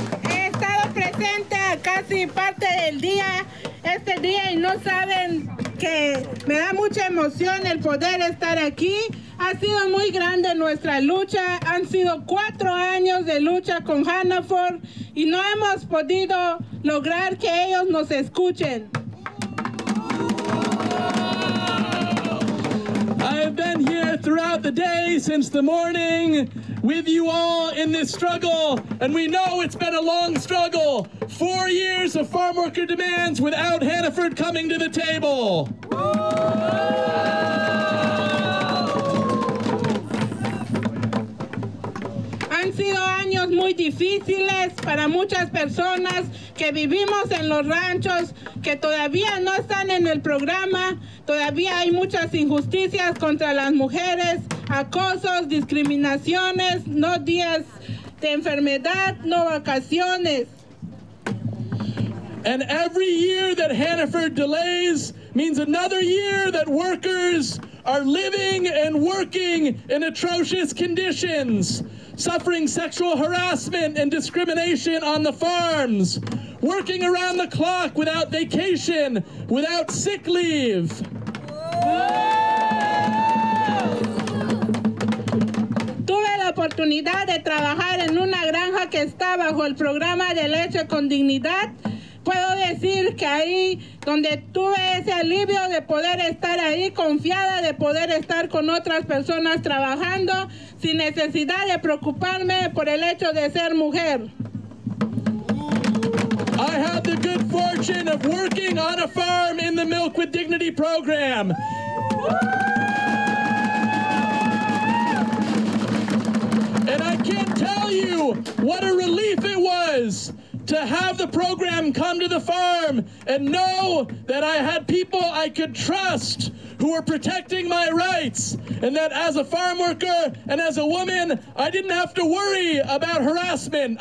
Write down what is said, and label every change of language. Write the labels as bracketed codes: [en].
[es] He estado presente casi parte del día, este día, y no saben que me da mucha emoción el poder estar aquí. Ha sido muy grande nuestra lucha. Han sido 4 años de lucha con Hannaford y no hemos podido lograr que ellos nos escuchen. [en] I've been here throughout the day since the morning with you all in this struggle, and we know it's been a long struggle. 4 years of farm worker demands without Hannaford coming to the table. [es] Han sido años muy difíciles para muchas personas que vivimos en los ranchos, que todavía no están en el programa. Todavía hay muchas injusticias contra las mujeres, acosos, discriminaciones, no días de enfermedad, no vacaciones. [en] And every year that Hannaford delays means another year that workers are living and working in atrocious conditions, suffering sexual harassment and discrimination on the farms, working around the clock without vacation, without sick leave. [es] Tuve la oportunidad de trabajar en una granja que está bajo el programa de leche con dignidad. Puedo decir que ahí donde tuve ese alivio de poder estar ahí confiada, de poder estar con otras personas trabajando sin necesidad de preocuparme por el hecho de ser mujer. [en] I had the good fortune of working on a farm in the Milk with Dignity program. And I can't tell you what a relief it was to have the program come to the farm and know that I had people I could trust who were protecting my rights, and that as a farm worker and as a woman, I didn't have to worry about harassment.